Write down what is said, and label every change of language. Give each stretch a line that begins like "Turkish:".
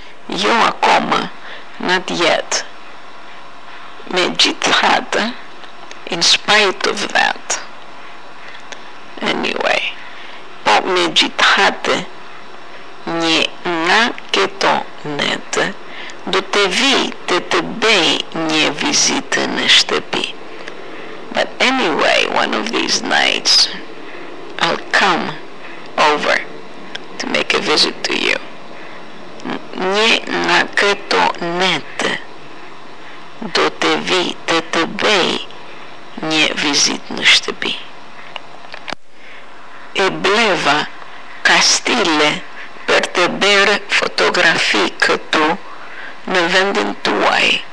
Albanian: Jo akoma,
English: not yet.
Albanian: Me gjithatë,
English: in spite of that. Anyway,
Albanian: po me gjithatë, një nga këto netë do të vi të të bëj një vizitë në shtëpi.
English: But anyway, one of these nights, I'll come over to make a visit to you.
Albanian: Një nga këto netë do të vi të të bëj një vizitë në shtëpi. E bleva kastile për të bërë fotografi këtu në vendin tuaj.